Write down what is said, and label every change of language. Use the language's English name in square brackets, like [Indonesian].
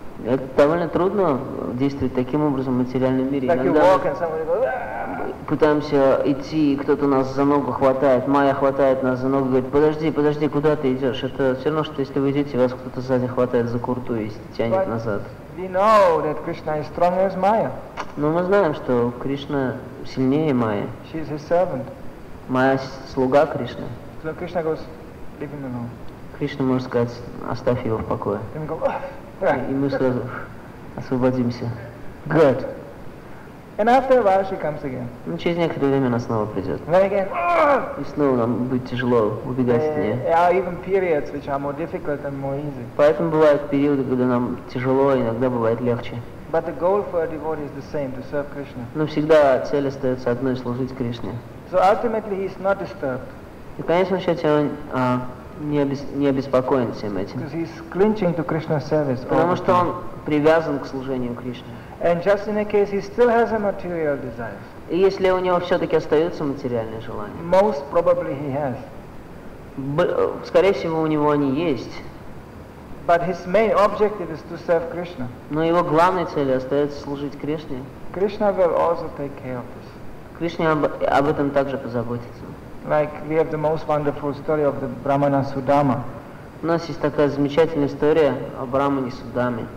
[Russian] Это довольно трудно действовать таким образом в материальном мире. [English] Like [Russian] иногда [English] you walk and somebody goes, [Russian] пытаемся идти, и кто-то нас за ногу хватает. Майя хватает нас за ногу и говорит, подожди, куда ты идешь? Это все равно, что если вы идете, вас кто-то сзади хватает за курту и тянет назад. [English] We know that Krishna is stronger than Maya. [Russian] Но мы знаем, что Кришна сильнее Майи. [English] She is his servant. [Russian] Майя слуга Кришны. [English] So Krishna goes, leave him alone. [Russian] Кришна может сказать, оставь его в покое. [English] Right. [Russian] И мы сразу освободимся. [English] Good. And after a while she comes again. [Russian] Ну, через некоторое время она снова придет. [English] Then again. [Russian] И снова нам будет тяжело убегать от нее. [English] There are even periods which are more difficult and more easy. [Russian] Поэтому бывают периоды, когда нам тяжело, иногда бывает легче. [English] But the goal for a devotee is the same, to serve Krishna. [Russian] Но всегда цель остается одной — служить Кришне. [English] So ultimately he is not disturbed. [Russian] И в конечном счете он не обеспокоен всем этим. [English] Because he's clinging to Krishna's service. [Russian] Потому что он привязан к служению Кришне. [English] And just in a case he still has a material desire. [Russian] И если у него все-таки остаются материальные желания. [English] Most probably he has. [Russian] Скорее всего, у него они есть. [English] But his main objective is to serve Krishna. [Russian] Но его главной целью остается служить Кришне. [English] Krishna will also take care of this. [Russian] Кришна об этом также позаботится. [English] Like we have the most wonderful story of the Brahmana Sudama. [Russian] У нас есть такая замечательная история о Брахмане Судаме.